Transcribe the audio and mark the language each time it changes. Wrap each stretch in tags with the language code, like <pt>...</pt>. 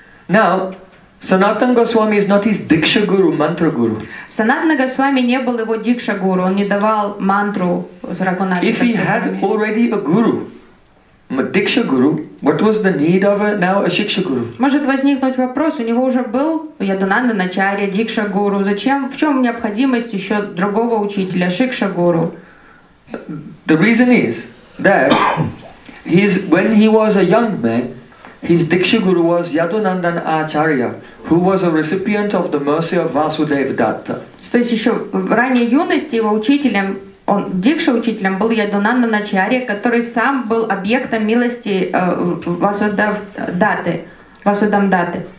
<en>Now, Sanatana Goswami is not his Diksha Guru, Mantra Guru.</en> <ru>Sanatana Goswami не был его Diksha Guru, он не давал мантру с Рагхунатха.</ru> <en>If he had already a guru, a Diksha Guru, what was the need of now a Shiksha Guru?</en> <ru>Может возникнуть вопрос, у него уже был Ядунанда Начарья, Diksha Guru, зачем, в чем необходимость еще другого учителя, Shiksha Guru?</ru> <en>The reason is that when he was a young man, his Diksha Guru was Yadunandan Acharya, who was a recipient of the mercy of Vasudeva Datta.</en> <ru>То есть еще в ранней юности его учителем, он дикша учителем был Ядунандан Ачарья, который сам был объектом милости Васудева Даты.</ru>